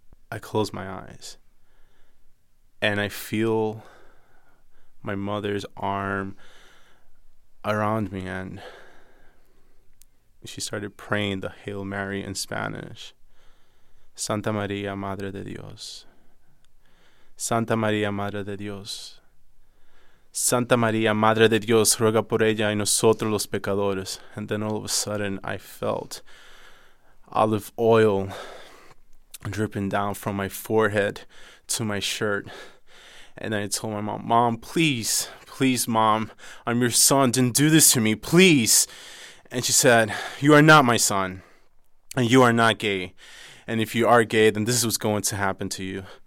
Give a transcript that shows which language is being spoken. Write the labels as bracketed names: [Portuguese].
[English] I closed my eyes. And I feel my mother's arm around me, and she started praying the Hail Mary in Spanish. [Spanish] Santa María, Madre de Dios. Santa María, Madre de Dios. Santa María, Madre de Dios, ruega por ella y nosotros los pecadores. [English] And then all of a sudden, I felt olive oil dripping down from my forehead to my shirt. And I told my mom, "Mom, please, please, Mom, I'm your son. Don't do this to me, please." And she said, "You are not my son, and you are not gay. And if you are gay, then this is what's going to happen to you."